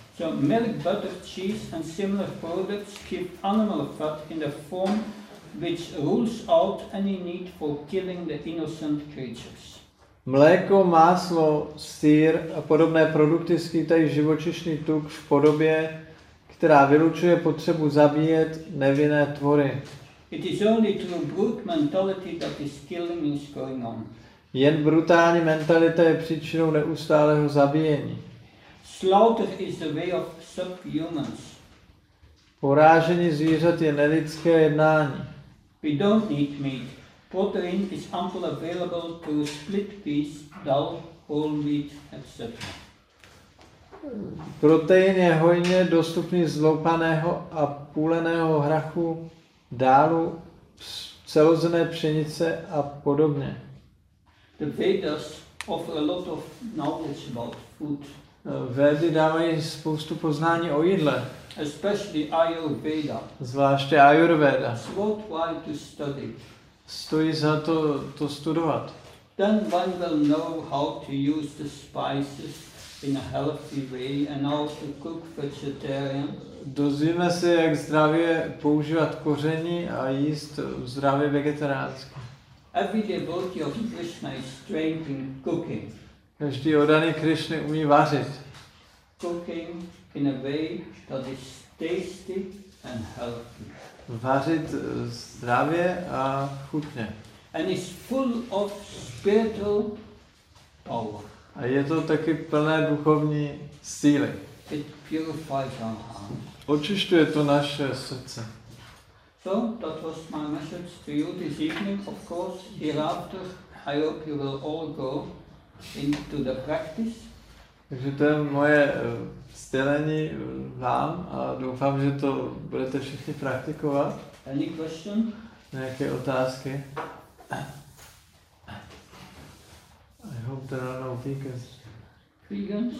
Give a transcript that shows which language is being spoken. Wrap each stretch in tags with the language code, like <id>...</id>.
<en>So milk, butter, cheese and similar products keep animal fat in the form which rules out any need for killing the innocent creatures.</en> <cs>Mléko, máslo, sýr a podobné produkty skýtají živočišný tuk v podobě, která vylučuje potřebu zabíjet nevinné tvory.</cs> <en>It is only through brute mentality that this killing is going on.</en> <cs>Jen brutální mentalita je příčinou neustálého zabíjení.</cs> <en>Slaughter is the way of subhumans.</en> <cs>Porážení zvířat je nelidské jednání.</cs> <en>We don't need meat. Protein is ample available to split peas, dal, whole wheat, etc.</en> <cs>Protein je hojně dostupný z loupaného a půleného hrachu, dálu, celozrnné pšenice a podobně.</cs> <en>The Vedas offer a lot of knowledge about food.</en> <cs>Vedy dávají spoustu poznání o jídle.</cs> <en>Especially Ayurveda.</en> <cs>Zvláště Ayurveda.</cs> <en>It's worthwhile to study.</en> <cs>Stojí za to studovat.</cs> <en>Then one will know how to use the spices in a healthy way and how to cook vegetarian.</en> <cs>Dozvíme se, jak zdravě používat koření a jíst zdravě vegetariánsky.</cs> <en>Every devotee of Krishna is trained in cooking.</en> <cs>Každý oddaný Krishna umí vařit.</cs> <en>Cooking in a way that is tasty and healthy.</en> <cs>Vařit zdravě a chutně.</cs> <en>And is full of spiritual power.</en> <cs>A je to taky plné duchovní síly.</cs> <en>It purifies our hearts.</en> <cs>Očišťuje to naše srdce.</cs> <en>So, that was my message to you this evening. Of course, hereafter, I hope you will all go into the practice.</en> <cs>Takže to je moje sdělení vám a doufám, že to budete všichni praktikovat.</cs> <en>Any question?</en> <cs>Nějaké otázky?</cs> <en>I hope there are no vegans. Vegans?</en>